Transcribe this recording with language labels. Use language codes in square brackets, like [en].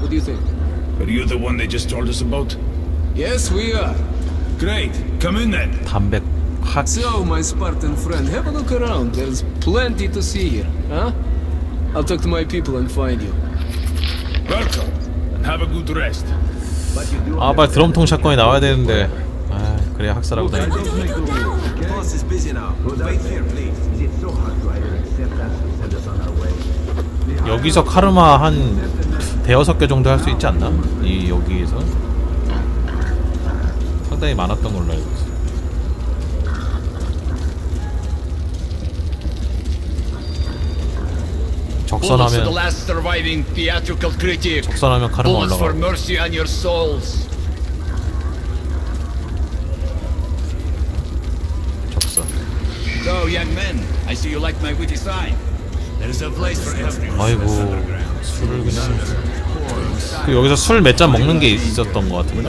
[en] What do you think? Are you the one they just told us about? Yes, we are. Great. Come in then. [ko] 담배. [en] So, my Spartan friend, have a look around. There's plenty to see here, huh? I'll talk to my people and find you. Welcome, and have a good rest. [ko] 아, 빨리 드럼통 사건이 나와야 되는데. 아, 그래, 학살하고 다니. [en] Boss is busy now. Wait here, please. It's so hard to accept us and send us on our way. [ko] 여기서 카르마 한 대여섯 개 정도 할 수 있지 않나? 이 여기에서 상당히 많았던 걸로 알고 있어. 적선하면 [en] the last surviving theatrical critic. [ko] 적선하면 카르마 올라가. [en] For mercy on your souls. [ko] 적선. [en] So, young men, I see you like my witty sign. There is a place for everyone. [ko] 아이고. 술을 그냥 여기서 술 몇 잔 먹는 게 있었던 거 같은데.